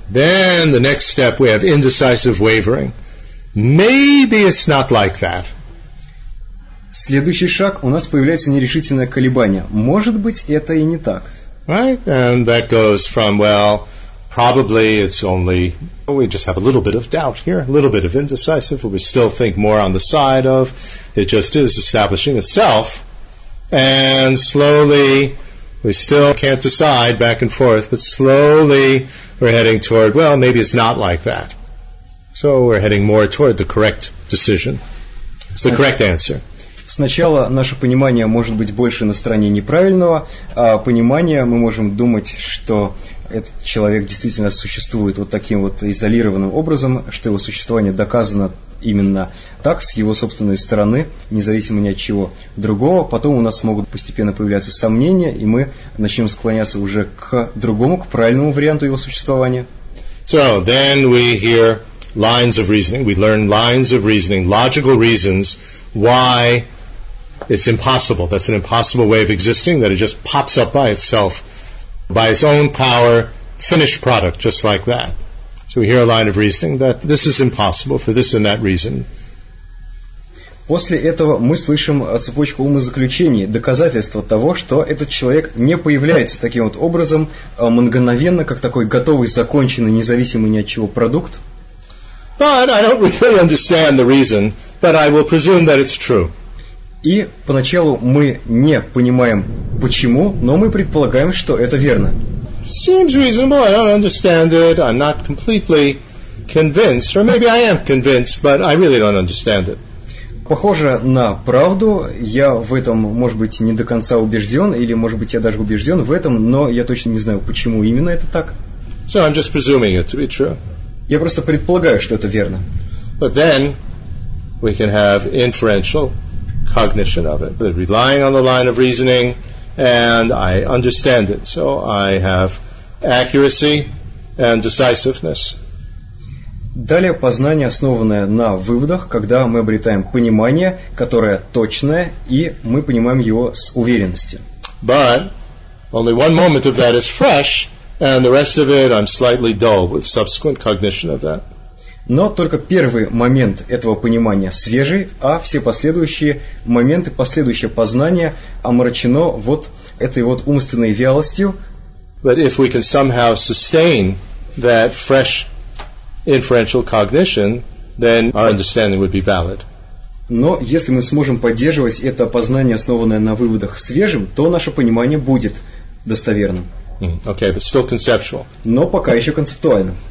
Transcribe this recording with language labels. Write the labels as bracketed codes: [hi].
[en] Then the next step we have indecisive wavering. Maybe it's not like that. [ru] Следующий шаг, у нас появляется нерешительное колебание. Может быть, это и не так. [en] Right, and that goes from, well, probably it's only, we just have a little bit of doubt here, a little bit of indecisive, but we still think more on the side of, it just is establishing itself, and slowly, we still can't decide back and forth, but slowly we're heading toward, well, maybe it's not like that. So we're heading more toward the correct decision. It's the correct answer. [ru] Сначала наше понимание может быть больше на стороне неправильного, а понимание, мы можем думать, что этот человек действительно существует вот таким вот изолированным образом, что его существование доказано именно так, с его собственной стороны, независимо ни от чего другого. Потом у нас могут постепенно появляться сомнения, и мы начнем склоняться уже к другому, к правильному варианту его существования. [en] So, then we hear lines of reasoning. We learn lines of reasoning, logical reasons why it's impossible. That's an impossible way of existing, that it just pops up by itself, by its own power, finished product, just like that. So we hear a line of reasoning that this is impossible for this and that reason. [ru] После этого мы слышим цепочку умозаключений, доказательства того, что этот человек не появляется таким вот образом, мгновенно, как такой готовый, законченный, независимый ни от чего продукт. [en] But I don't really understand the reason, but I will presume that it's true. [ru] И поначалу мы не понимаем почему, но мы предполагаем, что это верно. [en] Seems reasonable, I don't understand it, I'm not completely convinced, or maybe I am convinced, but I really don't understand it. [ru] Похоже на правду, я в этом, может быть, не до конца убежден, или, может быть, я даже убежден в этом, но я точно не знаю, почему именно это так. [en] So I'm just presuming it to be true. [ru] Я просто предполагаю, что это верно. [en] But then we can have inferential cognition of it. But relying on the line of reasoning, and I understand it. So I have accuracy and decisiveness. [ru] Далее познание, основанное на выводах, когда мы обретаем понимание, которое точное, и мы понимаем его с уверенностью. [en] But only one moment of that is fresh, and the rest of it I'm slightly dull with subsequent cognition of that. [ru] Но только первый момент этого понимания свежий, а все последующие моменты, последующее познание омрачено вот этой вот умственной вялостью. [en] But if we can somehow sustain that fresh inferential cognition, then our understanding would be valid. [ru] Но если мы сможем поддерживать это познание, основанное на выводах, свежим, то наше понимание будет достоверным. [en] Okay, but still conceptual. [ru] Но пока еще концептуально.